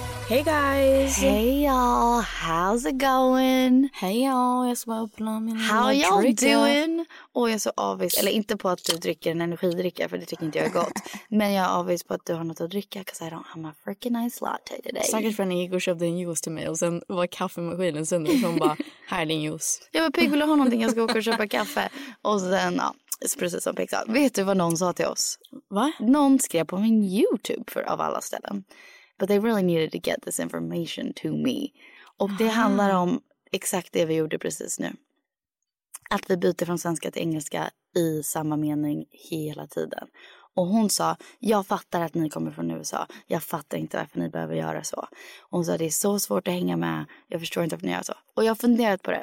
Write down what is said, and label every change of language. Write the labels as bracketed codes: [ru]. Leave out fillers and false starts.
[en] Hey guys. Hey y'all. How's it going? Hey y'all. [sv] Jag smör upp någon min [en] How drink. Y'all doing? [sv] Och jag är så avis. Eller inte på att du dricker en energidricka, för det tycker inte jag är gott. Men jag är avis på att du har något att dricka. [en] Because I don't have my freaking nice latte today. [sv] Säkert för att ni gick och köpte en juice till mig. Och sen var kaffemaskinen sönder. Och hon bara, här är din juice. Jag var pigg, vill du ha någonting? Jag ska åka och köpa kaffe. Och sen, ja. Precis som pigg sa. Vet du vad någon sa till oss? Va? Någon skrev på min YouTube för av alla ställen. [en] But they really needed to get this information to me. [sv] Och det handlar om exakt det vi gjorde precis nu. Att vi byter från svenska till engelska i samma mening hela tiden. Och hon sa, jag fattar att ni kommer från USA. Jag fattar inte varför ni behöver göra så. Hon sa, det är så svårt att hänga med. Jag förstår inte varför ni gör så. Och jag har funderat på det.